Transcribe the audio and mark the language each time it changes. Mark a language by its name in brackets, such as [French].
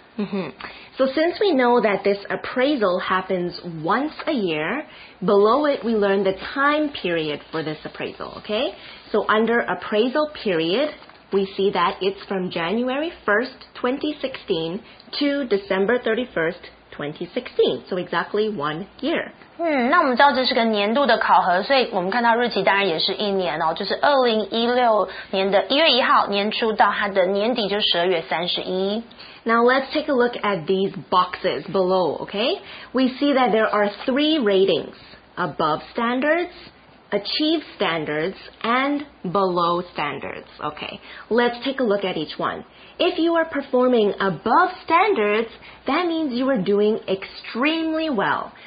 [English] So since we know that this appraisal happens once a year, below it we learn the time period for this appraisal, okay? So under appraisal period, we see that it's from January 1st, 2016 to December 31st, 2016. So exactly 1 year. [Chinese] 那我们知道这是个年度的考核，所以我们看到日期当然也是一年哦，就是2016年的1月1号年初到它的年底就是12月31。 [English] Now let's take a look at these boxes below, okay? We see that there are three ratings, above standards, achieve standards, and below standards, okay? Let's take a look at each one. If you are performing above standards, that means you are doing extremely well.